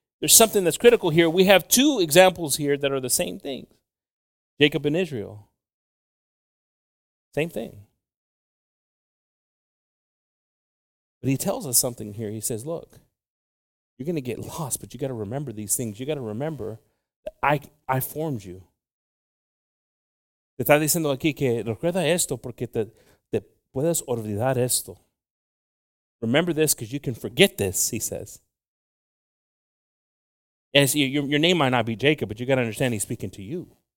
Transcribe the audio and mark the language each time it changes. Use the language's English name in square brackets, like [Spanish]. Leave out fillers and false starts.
[English] There's something that's critical here. We have two examples here that are the same thing. Jacob and Israel. Same thing. But he tells us something here. He says, look, you're going to get lost, but you got to remember these things. You got to remember that I formed you. [Spanish] Te está diciendo aquí que recuerda esto porque te puedes olvidar esto. [English] Remember this because you can forget this, he says. And see, your name might not be Jacob, but you got to understand he's speaking to you.